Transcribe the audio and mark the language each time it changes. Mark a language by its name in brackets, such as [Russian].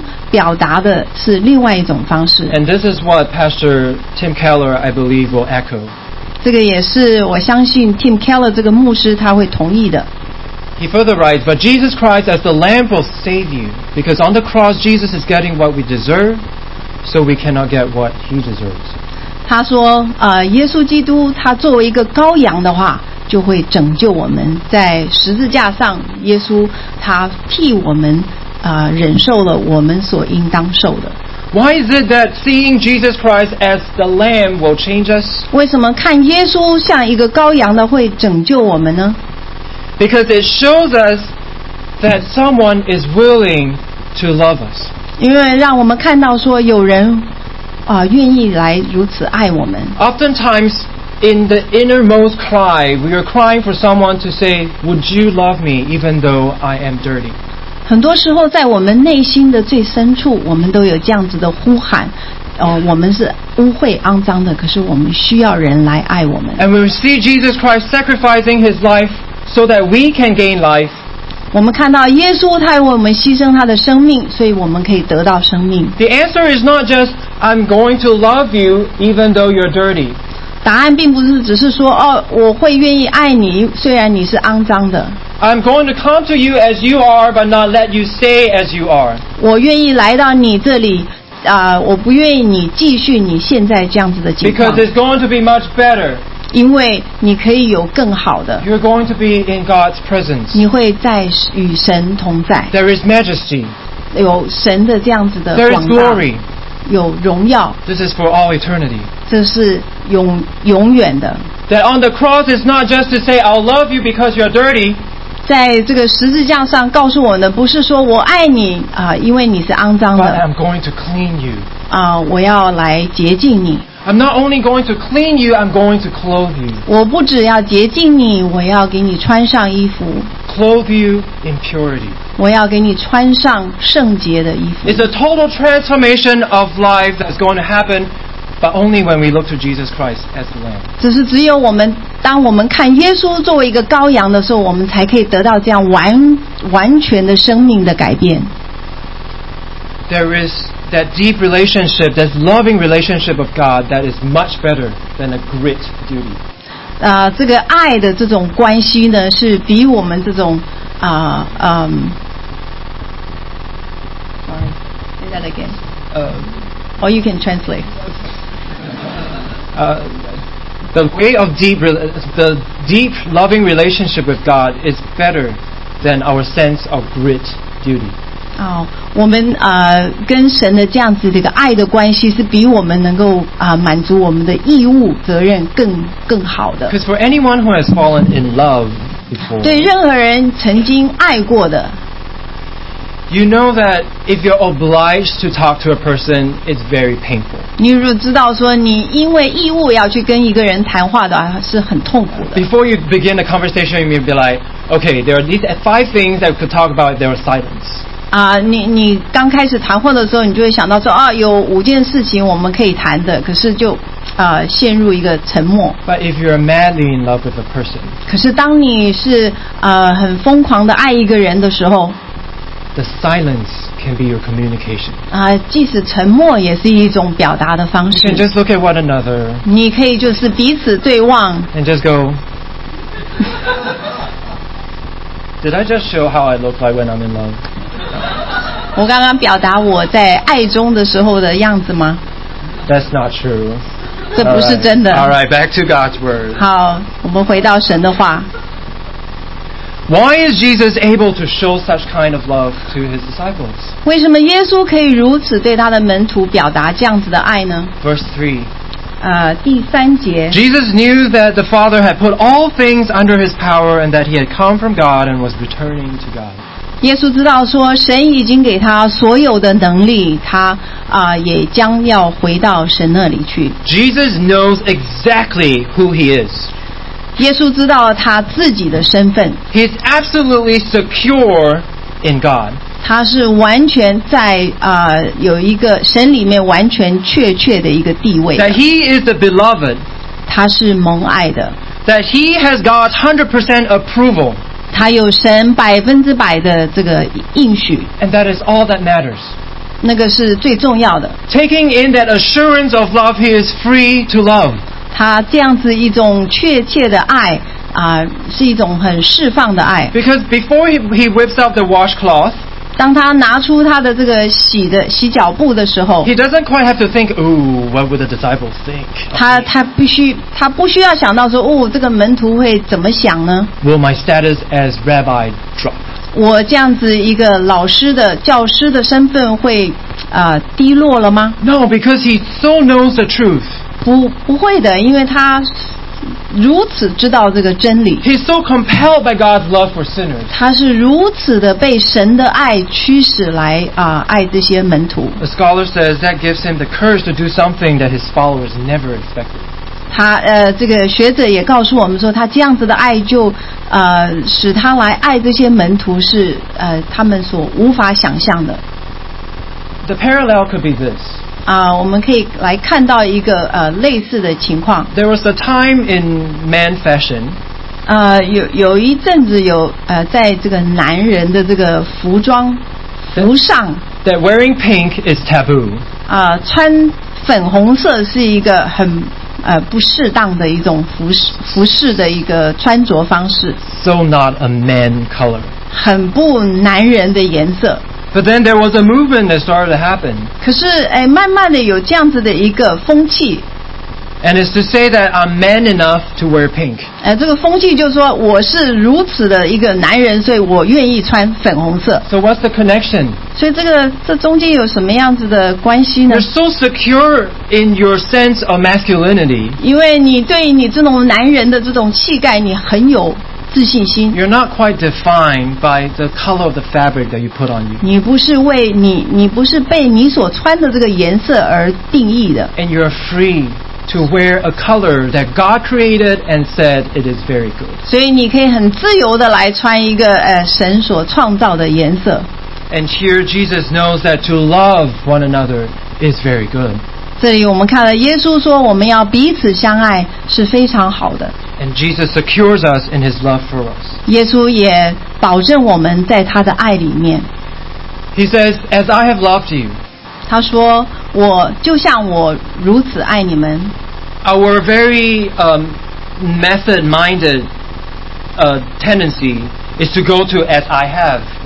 [Chinese] 或者应该说，约翰告诉我们，耶稣表达的是另外一种方式。 [English] And this is what Pastor Tim Keller, I believe, will echo. [Chinese] 这个也是我相信Tim Keller这个牧师他会同意的。 [English] He further writes, "But Jesus Christ as the Lamb will save you, because on the cross Jesus is getting what we deserve." So we cannot get what he deserves. [Chinese] 他说, 耶稣基督他作为一个羔羊的话，就会拯救我们，在十字架上，耶稣他替我们, 忍受了我们所应当受的。 [English] Why is it that seeing Jesus Christ as the Lamb will change us? [Chinese] 为什么看耶稣像一个羔羊的会拯救我们呢? [English] Because it shows us that someone is willing to love us. [Chinese] 因为让我们看到说有人, 愿意来如此爱我们。 [English] Oftentimes, in the innermost cry, we are crying for someone to say, "Would you love me even though I am dirty?" [Chinese] 很多时候在我们内心的最深处, 我们都有这样子的呼喊, 我们是污秽肮脏的, 可是我们需要人来爱我们。 [English] And when we see Jesus Christ sacrificing his life so that we can gain life, [Chinese] 我们看到耶稣他为我们牺牲他的生命，所以我们可以得到生命。 [English] The answer is not just I'm going to love you even though you're dirty. [Chinese] 答案并不是只是说哦，我会愿意爱你，虽然你是肮脏的。 [English] I'm going to come to you as you are, but not let you stay as you are. [Chinese] 我愿意来到你这里，啊，我不愿意你继续你现在这样子的情况。 [English] Because it's going to be much better. [Chinese] 因为你可以有更好的。 [English] You're going to be in God's presence. [Chinese] 你会在与神同在。 [English] There is majesty. [Chinese] 有神的这样子的广大。 [English] There is glory. [Chinese] 有荣耀。 [English] This is for all eternity. [Chinese] 这是永远的。 [English] That on the cross is not just to say I'll love you because you're dirty. [Chinese] 在这个十字架上告诉我们的不是说我爱你啊，因为你是肮脏的。 [English] But I'm going to clean you. [Chinese] 啊，我要来洁净你。 [English] I'm not only going to clean you, I'm going to clothe you. [Chinese] 我不只要洁净你，我要给你穿上衣服。 [English] Clothe you in purity. [Chinese] 我要给你穿上圣洁的衣服。 [English] It's a total transformation of life that's going to happen. But only when we look to Jesus Christ as the Lamb. [Chinese] 只是只有我们，当我们看耶稣作为一个羔羊的时候，我们才可以得到这样完全的生命的改变。 [English] There is that deep relationship, that loving relationship of God that is much better than a grit duty. [Chinese] 啊，这个爱的这种关系呢，是比我们这种啊 [English] Sorry, say that again. Or you can translate. The way of the deep loving relationship with God is better than our sense of grit duty. [Chinese] Oh, 我们跟神的这样子这个爱的关系是比我们能够满足我们的义务责任更好的。 [English] Because for anyone who has fallen in love before, [Chinese] 对任何人曾经爱过的。 [English] You know that if you're obliged to talk to a person, it's very painful. [Chinese] 你如果知道说你因为义务要去跟一个人谈话的话，是很痛苦的。 [English] Before you begin a conversation, you may be like, okay, there are these five things that we could talk about if there are silence. [Chinese] 啊，你刚开始谈话的时候，你就会想到说啊，有五件事情我们可以谈的，可是就陷入一个沉默。 [English] But if you're madly in love with a person, [Chinese] 可是当你是很疯狂的爱一个人的时候。 [English] The silence can be your communication. [Chinese] 啊，即使沉默也是一种表达的方式。 [English] You can just look at one another. [Chinese] 你可以就是彼此对望。 [English] And just go. Did I just show how I look like when I'm in love? [Chinese] 我刚刚表达我在爱中的时候的样子吗？ [English] That's not true. [Chinese] 这不是真的。 [English] All right, back to God's word. [Chinese] 好，我们回到神的话。 [English] Why is Jesus able to show such kind of love to his disciples? [Chinese] 为什么耶稣可以如此对他的门徒表达这样子的爱呢？ [English] Verse 3. [Chinese] 第三节。 [English] Jesus knew that the Father had put all things under his power and that he had come from God and was returning to God. [Chinese] 耶稣知道说神已经给他所有的能力，他也将要回到神那里去。 [English] Jesus knows exactly who he is. [Chinese] 耶稣知道他自己的身份。 [English] He's absolutely secure in God. [Chinese] 他是完全在有一个神里面完全确确的一个地位。 [English] That he is the beloved. [Chinese] 他是蒙爱的。 [English] That he has God's 100% approval. [Chinese] 他有神100%的这个应许。 [English] And that is all that matters. [Chinese] 那个是最重要的。 [English] Taking in that assurance of love, he is free to love. [Chinese] 他这样子一种确切的爱是一种很释放的爱。 [English] Because before he whips out the washcloth, [Chinese] 当他拿出他的这个洗脚布的时候 [English] ，He doesn't quite have to think, "Ooh, what would the disciples think?" [Chinese] 他不需要想到说，哦，这个门徒会怎么想呢 [English] ？Will my status as rabbi drop? [Chinese] 我这样子一个老师的教师的身份会低落了吗 [English] ？No, because he so knows the truth. [Chinese] 不会的，因为他如此知道这个真理。 [English] He's so compelled by God's love for sinners. [Chinese] 他是如此的被神的爱驱使来爱这些门徒。 [English] A scholar says that gives him the courage to do something that his followers never expected. [Chinese] 他这个学者也告诉我们说，他这样子的爱就使他来爱这些门徒是他们所无法想象的。 [English] The parallel could be this. [Chinese] 我们可以来看到一个类似的情况。 [English] There was a time in man fashion. [Chinese] 有一阵子有在这个男人的这个服装服上。 [English] That wearing pink is taboo. [Chinese] 穿粉红色是一个很不适当的一种服饰的一个穿着方式。 [English] So not a man color. [Chinese] 很不男人的颜色。 [English] But then there was a movement that started to happen. [Chinese] 可是哎，慢慢的有这样子的一个风气。 [English] And it's to say that I'm man enough to wear pink. [Chinese] 这个风气就是说我是如此的一个男人，所以我愿意穿粉红色。 [English] So what's the connection? [Chinese] 所以这中间有什么样子的关系呢？ [English] You're so secure in your sense of masculinity. [Chinese] 因为你对你这种男人的这种气概，你很有自信心。 [English] You're not quite defined by the color of the fabric that you put on you. [Chinese] 你不是为你，你不是被你所穿的这个颜色而定义的。 [English] And you're free. To wear a color that God created and said it is very good. [Chinese] 所以你可以很自由的来穿一个神所创造的颜色。 [English] And here Jesus knows that to love one another is very good. [Chinese] 这里我们看到耶稣说我们要彼此相爱是非常好的。 [English] And Jesus secures us in His love for us. [Chinese] 耶稣也保证我们在他的爱里面。 [English] He says, "As I have loved you." [Chinese] 他说。我就像我如此爱你们。 [English] Our very method-minded tendency is to go to as I have.